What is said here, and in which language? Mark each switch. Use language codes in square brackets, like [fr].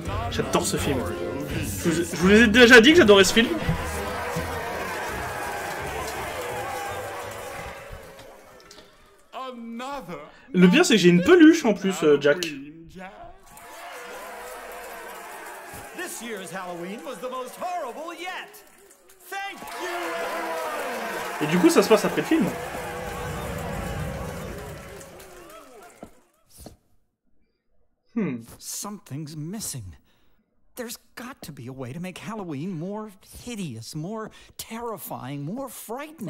[fr] J'adore ce film. Je vous ai déjà dit que j'adorais ce film. Le pire, c'est que j'ai une peluche en plus, Jack. [en] This year's Halloween was the most horrible yet. Thank you, everyone. [fr] Et du coup, ça se passe après le film. [en] Something's missing. There's got to be a way to make Halloween more hideous, more terrifying, more frightening.